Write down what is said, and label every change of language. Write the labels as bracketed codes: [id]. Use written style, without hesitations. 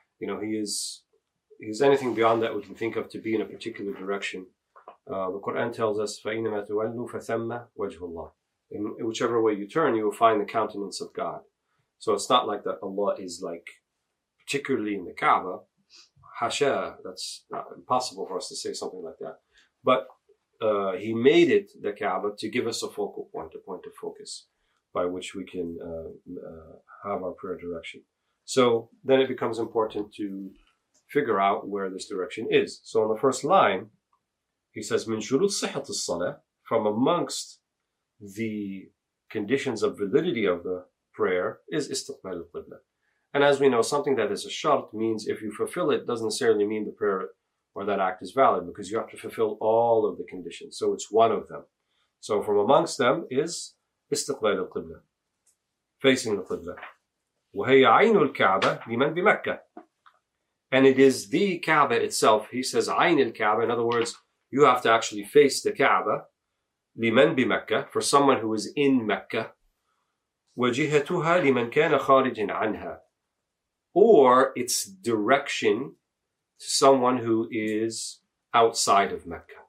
[en] And, you know, he's anything beyond that we can think of to be in a particular direction. The Quran tells us, [ar] فَإِنَّمَا تُوَلُّوا فَثَمَّ وَجْهُ اللَّهِ. [en] In whichever way you turn, you will find the countenance of God. So it's not like that Allah is like, particularly in the Kaaba, hasha, that's not impossible for us to say something like that. But he made it, the Kaaba, to give us a focal point, a point of focus, by which we can have our prayer direction. So then it becomes important to figure out where this direction is. So on the first line, he says, [ar] من شروط صحة الصلاة, [en] from amongst the conditions of validity of the prayer, is [ar] استقبال القبلة. [en] And as we know, something that is a shart means if you fulfill it, doesn't necessarily mean the prayer or that act is valid, because you have to fulfill all of the conditions. So it's one of them. So from amongst them is [ar] استقبال القبلة, [en] facing the [ar] قبلة. وهي عين الكعبة لمن بمكة. [en] And it is the Kaaba itself. He says, Ayn al-Kaaba. In other words, you have to actually face the Kaaba. [ar] لِمَنْ بِمَكَّةِ [en] For someone who is in Mecca. [ar] وَجِهَتُهَا لِمَنْ كَانَ خَارِجٍ عَنْهَا [en] Or its direction to someone who is outside of Mecca.